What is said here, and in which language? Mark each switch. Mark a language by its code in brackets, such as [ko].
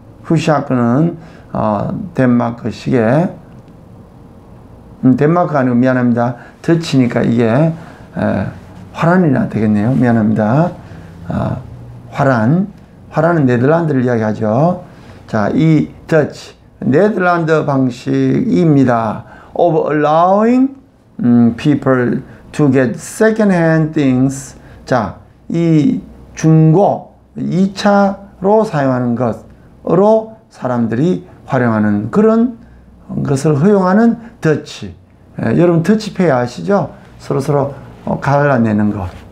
[ko] Hushak는 덴마크식의 덴마크가 아니고 미안합니다. 더치니까 이게 화란이나 되겠네요. 미안합니다. 화란은 네덜란드를 이야기하죠. 자, 이 더치 네덜란드 방식입니다. [en] Of allowing people to get second-hand things. [ko] 자, 이 중고, 2차로 사용하는 것으로 사람들이 활용하는 그런 것을 허용하는 더치. 여러분 더치페이 아시죠? 서로서로 갈라내는 것.